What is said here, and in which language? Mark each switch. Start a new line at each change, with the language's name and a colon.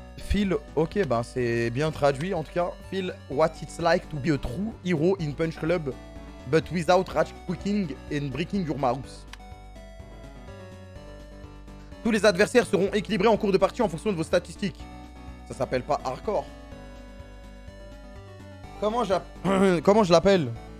French: Feel, ok, ben c'est bien traduit en tout cas.
English: Feel what it's like to be a true hero in Punch Club, but without ratchet cooking and breaking your mouth.
French: Tous les adversaires seront équilibrés en cours de partie en fonction de vos statistiques. Ça s'appelle pas hardcore. Comment je l'appelle?